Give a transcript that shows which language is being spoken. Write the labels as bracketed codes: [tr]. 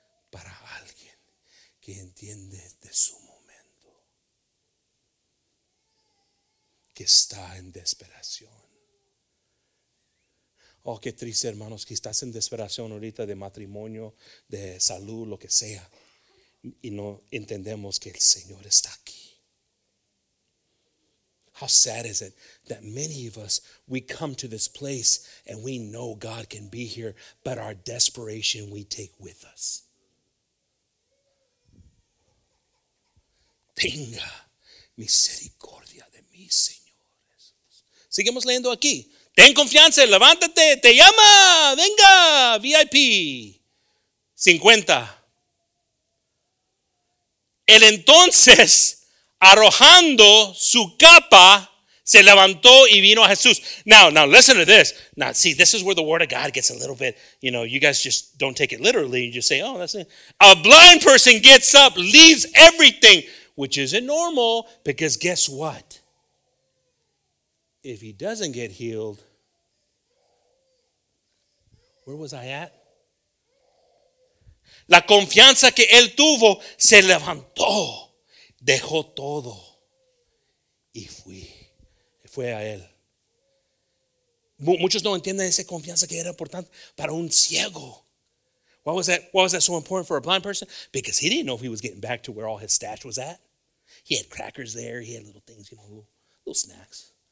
[es] Para alguien que entiende de su momento, que está en desesperación. Oh, qué triste, hermanos, que estás en desesperación ahorita de matrimonio, de salud, lo que sea, y no entendemos que el Señor está aquí. [en] How sad is it that many of us, we come to this place and we know God can be here, but our desperation we take with us. [es] Tenga misericordia de mí, Señor Jesús. Sigamos leyendo aquí. Ten confianza, levántate, te llama, venga, VIP. 50. El entonces, arrojando su capa, se levantó y vino a Jesús. [en] Now listen to this. Now, see, this is where the word of God gets a little bit, you know, you guys just don't take it literally. You just say, oh, that's it. A blind person gets up, leaves everything, which isn't normal, because guess what? If he doesn't get healed, where was I at? [es] La confianza que él tuvo, se levantó, dejó todo, y fue a él. Muchos no entienden esa confianza que era importante para un ciego. [en] Why was that so important for a blind person? Because he didn't know if he was getting back to where all his stash was at. He had crackers there. He had little things, you know, little snacks.